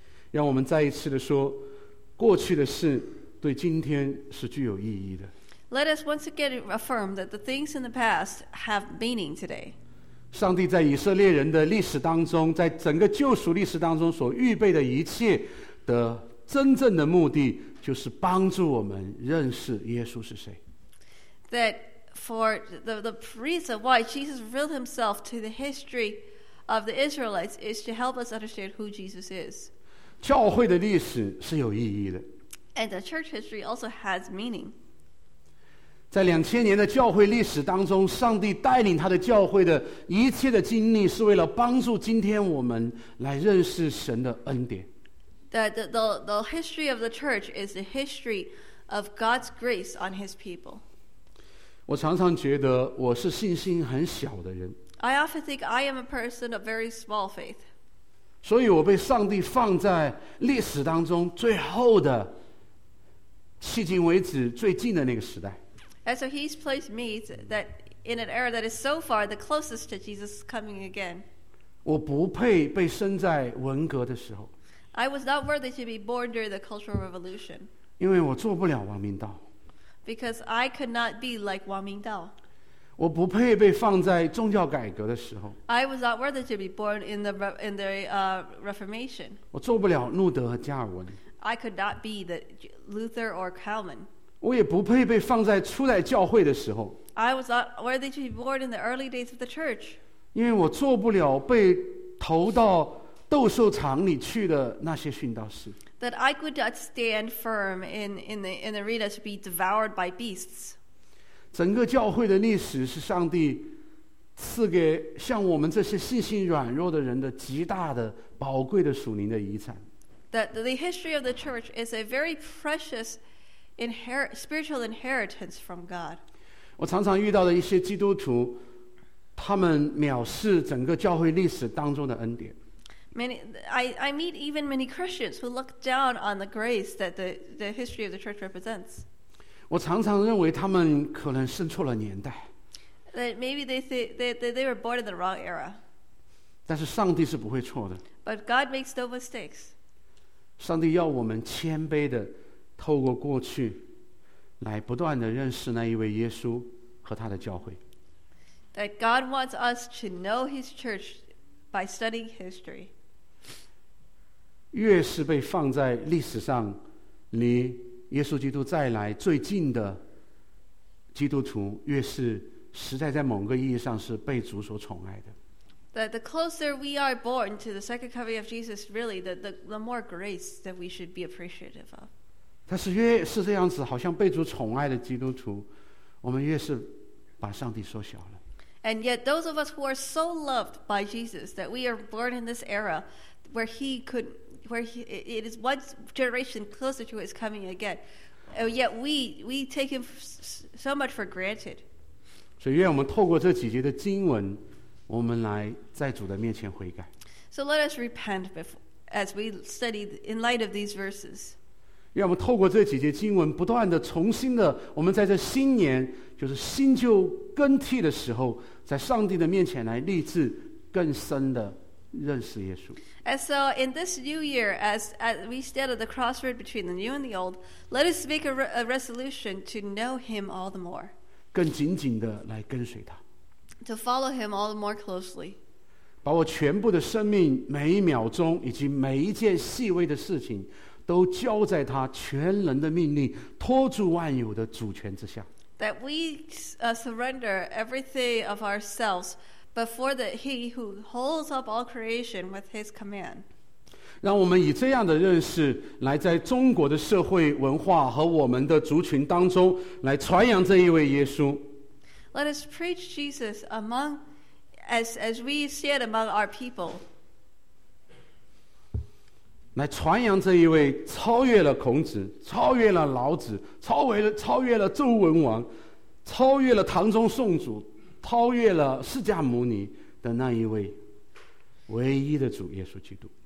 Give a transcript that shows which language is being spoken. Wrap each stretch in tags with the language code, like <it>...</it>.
<zh>让我们再一次的说，过去的事对今天是具有意义的。</zh> <en>Let us once again affirm that the things in the past have meaning today.</en> <zh>上帝在以色列人的历史当中，在整个救赎历史当中所预备的一切的真正的目的。就是帮助我们认识耶稣是谁。</zh> <en>That for the reason why Jesus revealed himself to the history of the Israelites is to help us understand who Jesus is.</en> <zh>教会的历史是有意义的。</zh> <en>And the church history also has meaning.</en> <zh>在2000年的教会历史当中，上帝带领他的教会的一切的经历，是为了帮助今天我们来认识神的恩典。</zh> <en>That the history of the church is the history of God's grace on His people.</en> <zh>我常常觉得我是信心很小的人。</zh> <en>I often think I am a person of very small faith.</en> <zh>所以我被上帝放在历史当中最后的，迄今为止最近的那个时代。</zh> <en>And so He's placed me that in an era that is so far the closest to Jesus coming again.</en> <zh>我不配被生在文革的时候。</zh> <en>I was not worthy to be born during the Cultural Revolution.</en> <zh>因为我做不了王明道。</zh> <en>Because I could not be like Wang Mingdao.</en> <zh>我不配被放在宗教改革的时候。</zh> <en>I was not worthy to be born in the Reformation.</en> <zh>我做不了路德和加尔文。</zh> <en>I could not be the Luther or Calvin.</en> <zh>我也不配被放在初代教会的时候。</zh> <en>I was not worthy to be born in the early days of the church.</en> <zh>因为我做不了被投到斗兽场里去的那些殉道士。</zh> <en>That I could not stand firm in the arena to be devoured by beasts.</en> <zh>整个教会的历史是上帝赐给像我们这些信心软弱的人的极大的宝贵的属灵的遗产。</zh> <en>That the history of the church is a very precious spiritual inheritance from God.</en> <zh>我常常遇到的一些基督徒，他们藐视整个教会历史当中的恩典。</zh> <en>I meet even many Christians who look down on the grace that the history of the church represents.</en> <zh>我常常认为他们可能生错了年代。</zh> <en>That maybe they were born in the wrong era.</en> <zh>但是上帝是不会错的。</zh> <en>But God makes no mistakes.</en> <zh>上帝要我们谦卑的透过过去来不断的认识那一位耶稣和他的教会。</zh> <en>That God wants us to know his church by studying history.</en> <zh>越是被放在历史上离耶稣基督再来最近的基督徒，越是实在在某个意义上是被主所宠爱的。</zh> <en>That the closer we are born to the second coming of Jesus, really, the more grace that we should be appreciative of.</en> <zh>但是越是这样子，好像被主宠爱的基督徒，我们越是把上帝缩小了。</zh> <en>And yet, those of us who are so loved by Jesus that we are born in this era, where He could, where He, it is one generation closer to His coming again, and yet we take Him so much for granted.</en> <zh>所以，愿我们透过这几节的经文。我们来在主的面前悔改。</zh> <en>So let us repent as we study in light of these verses.</en> <zh>让我们透过这几节经文，不断的、重新的，我们在这新年，就是新旧更替的时候，在上帝的面前来立志，更深的认识耶稣。</zh> <en>And so in this new year, as we stand at the crossroad between the new and the old, let us make a resolution to know Him all the more.</en> <zh>更紧紧的来跟随他。</zh> <en>To follow him all the more closely.</en> <zh>把我全部的生命每一秒钟以及每一件细微的事情都交在他全能的命令托住万有的主权之下。</zh> <en>That we surrender everything of ourselves before the he who holds up all creation with his command.</en> <zh>让我们以这样的认识来在中国的社会文化和我们的族群当中来传扬这一位耶稣。</zh> <en>Let us preach Jesus among, as we stand among our people.</en> <zh>来传扬这一位超越了孔子，超越了老子，超越了周文王，超越了唐宗宋祖，超越了释迦牟尼的那一位唯一的主耶稣基督。</zh>